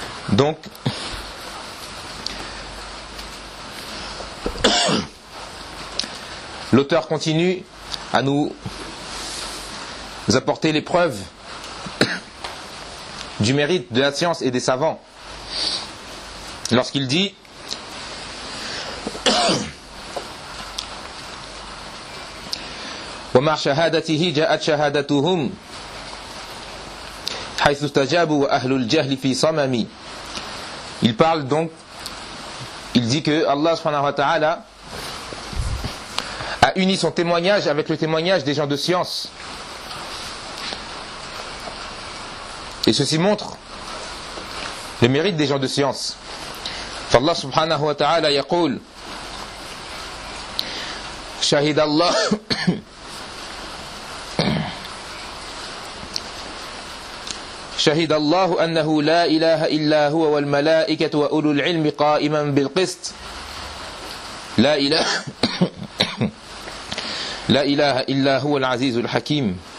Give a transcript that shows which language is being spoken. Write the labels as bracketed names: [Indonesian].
[French] Donc, l'auteur continue à nous apporter les preuves du mérite de la science et des savants. Lorsqu'il dit [Arabic] وَمَعْ شَهَادَتِهِ جَاءَتْ شَهَادَتُهُمْ حَيْثُ اسْتَجَابُوا وَأَهْلُ الْجَهْلِ فِي صَمَمِ. [French] Il parle donc, il dit que Allah subhanahu wa ta'ala a uni son témoignage avec le témoignage des gens de science. Et ceci montre le mérite des gens de science. [Arabic] Allah subhanahu wa ta'ala yaqul Shahid Allah شهد الله أنه لا إله إلا هو والملائكة وأولو العلم قائما بالقسط لا إله إلا هو العزيز الحكيم.